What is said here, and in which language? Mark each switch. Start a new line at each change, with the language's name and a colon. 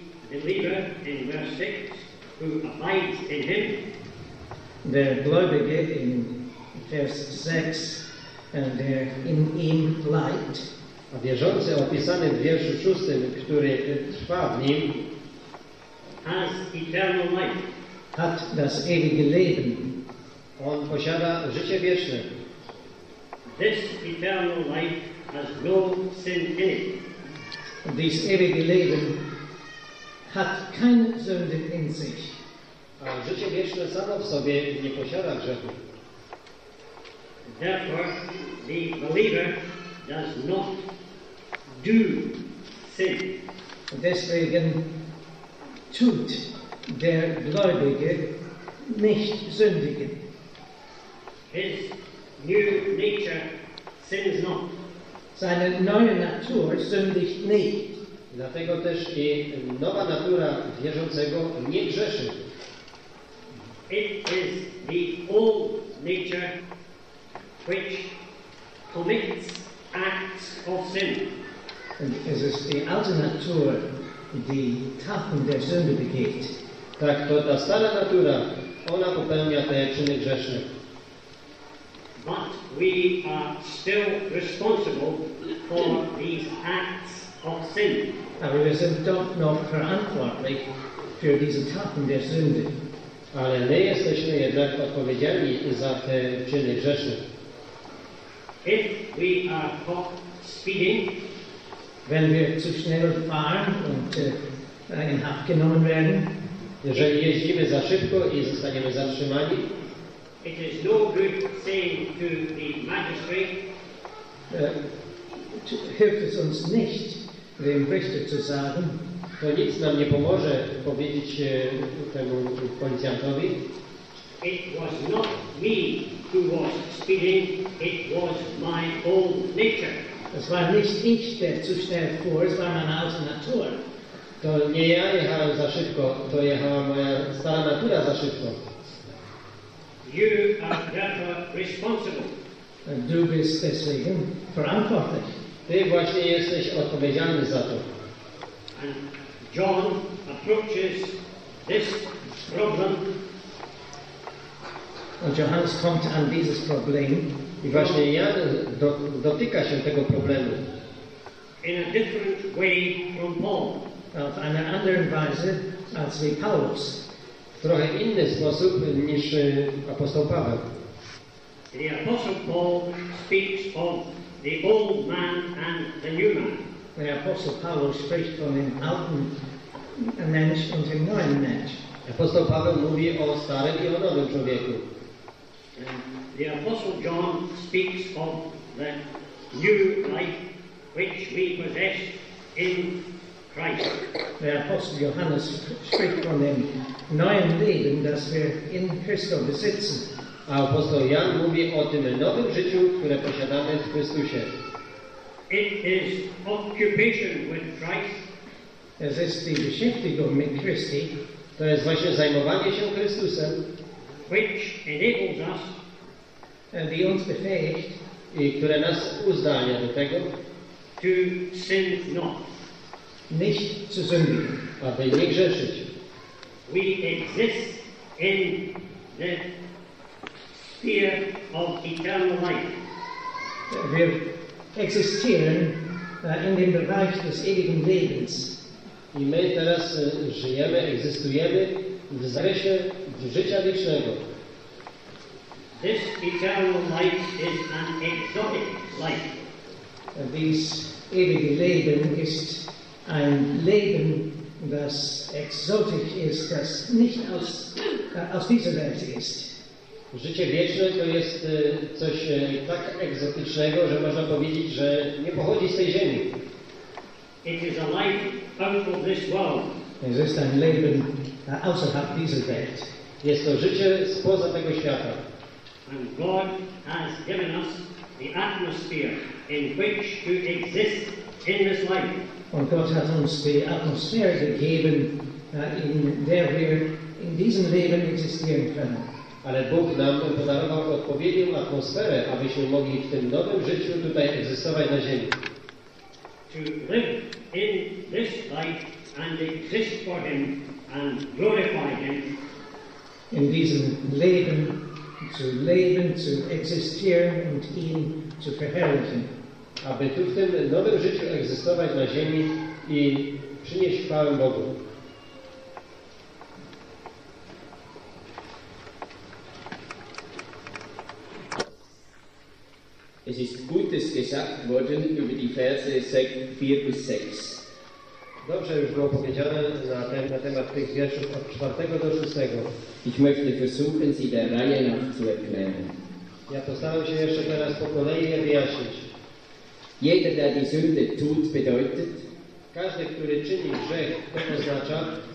English: The believer in verse 6 who abides in him.
German: The gläubige in verse 6 and there in him light.
Polish: A wierzący opisany w wierszu 6, który trwa w nim,
English: has eternal life.
German: Hat das ewige Leben.
Polish: On posiada życie wieczne.
English: This eternal life has no sin in it.
German: Dies ewige Leben hat keine Sünde in sich.
Polish: A życie wieczne samo w sobie nie posiada grzechu.
English: Therefore, the believer does not do sin.
German: Deswegen tut der Gläubige nicht sündigen.
English: His new nature sins not.
German: Seine neue Natur sündigt nicht.
Polish: Dlatego też i nowa natura wierzącego nie grzeszy.
English: It is the old nature which commits acts of sin.
German: Es ist die alte Natur, die Taten der Sünde begeht.
Polish: Tak, to ta stara natura, ona popełnia te czyny grzeszne.
English: But we are still responsible for these acts of sin.
German: Aber wir sind doch noch verantwortlich für diese Taten der Sünde.
Polish: Ale nie jesteśmy jednak odpowiedzialni za te czyny grzeszne.
English: If we are caught speeding,
German: wenn wir zu schnell fahren und in Haft genommen werden,
Polish: jeżeli jeździmy za szybko i zostaniemy zatrzymani,
English: it is no good saying to the magistrate,
German: hilft es uns nicht, dem Richter zu sagen,
Polish: to nic nam nie pomoże powiedzieć temu policjantowi.
English: It was not me who was speeding, it was my own nature.
German: Es war nicht ich, der zu schnell fuhr, es war meine alte Natur.
Polish: To nie ja jechałem za szybko, to jechała moja stara natura za szybko.
English: You are therefore responsible.
German: Du bist deswegen verantwortlich.
Polish: Ty właśnie jesteś odpowiedzialny za to.
English: And John approaches this problem.
German: Und Johannes kommt an dieses Problem.
Polish: I właśnie Jan dotyka się tego problemu.
English: In a different way from Paul.
German: Auf eine andere Weise als wie Paulus.
Polish: Trochę inny sposób niż apostoł Paweł.
English: The apostle Paul speaks of the old man and the new man. The apostle
German: Paweł spricht von dem alten Mensch und dem neuen Mensch.
Polish: Apostoł Paweł mówi o starym i o nowym człowieku.
English: The apostle John speaks of the new life which we possess in Christ. The apostle
German: Johannes spricht von dem neuen Leben, das wir in Christo besitzen.
Polish: A apostoł Jan mówi o tym nowym życiu, które posiadamy w Chrystusie.
English: It is occupation with Christ.
German: Es ist die Beschäftigung mit Christi.
Polish: To jest właśnie zajmowanie się Chrystusem,
English: which enables us,
German: die uns befähigt,
Polish: i które nas uzdalnia do tego,
English: to sin not.
German: Nicht zu sündigen.
Polish: Aby nie grzeszyć.
English: We exist in the sphere of eternal life.
German: Wir existieren in dem Bereich des ewigen Lebens.
Polish: I my teraz żyjemy, egzystujemy w zakresie życia wiecznego.
English: This eternal life is an exotic life.
German: This ewige Leben ist ein Leben, das exotisch ist, das nicht aus, aus dieser Welt ist.
Polish: Życie wieczne to jest coś tak egzotycznego, że można powiedzieć, że nie pochodzi z tej ziemi.
English: It is a life out of this world.
German: Es ist ein Leben außerhalb dieser Welt.
Polish: Jest to życie spoza tego świata.
English: And God has given us the atmosphere in which to exist in this life.
German: Und Gott hat uns die Atmosphäre gegeben, in der wir in diesem Leben existieren können.
Polish: Ale Bóg nam podarował odpowiednią atmosferę, abyśmy mogli w tym nowym życiu tutaj egzystować na ziemi.
English: To live in this life and exist for Him and glorify Him.
German: In diesem Leben zu leben, zu existieren und ihn zu verherrlichen.
Polish: Aby tu w tym nowym życiu egzystować na ziemi i przynieść chwałę Bogu.
German: Es ist Gutes gesagt worden über die Verse 4 bis 6.
Polish: Dobrze już było powiedziane na temat tych wierszów od 4 do 6.
German: Ich möchte versuchen, sie der Reihe nach zu erklären.
Polish: Ja postaram się jeszcze teraz po kolei je wyjaśnić.
German: Jeder, der die Sünde tut, bedeutet,
Polish: każdy, który czyni grzech, to oznacza,